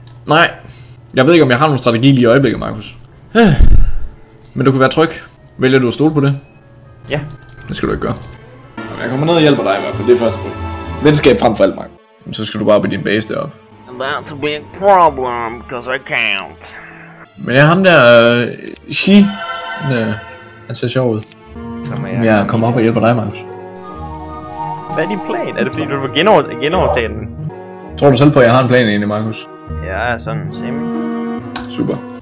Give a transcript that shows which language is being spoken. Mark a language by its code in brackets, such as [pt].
[da] Nej. Jeg ved ikke, om jeg har nogen strategi lige i øjeblikket, Markus. Men du kan være tryg. Vælger du at stole på det? Ja. Det skal du ikke gøre. Jeg kommer ned og hjælper dig i hvert fald, det er første punkt. Venskab frem for alt, Mark. Så skal du bare på din base derop. [en] And that's a big problem, because I can't. [da] Men jeg ham der, Shi, han ser sjov ud. Jamen, jeg kommer op og hjælper dig, Marcus. Hvad er din plan? Er det fordi, du vil genovertage den? Tror du selv på, at jeg har en plan egentlig, Marcus? Ja, sådan semi. Super.